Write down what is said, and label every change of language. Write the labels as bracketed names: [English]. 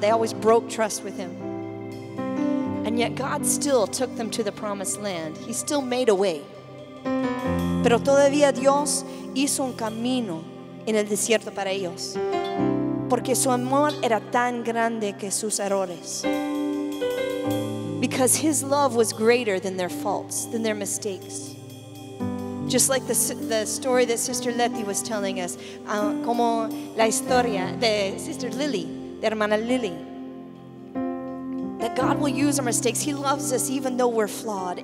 [English] They always broke trust with him. And yet God still took them to the promised land. He still made a way. [Spanish] Pero todavía Dios hizo un camino en el desierto para ellos, porque su amor era tan grande que sus errores. [English] Because his love was greater than their faults, than their mistakes. Just like the story that Sister Letty was telling us, [Spanish] como la historia de Sister Lily, de hermana Lily, [English] that God will use our mistakes. He loves us even though we're flawed.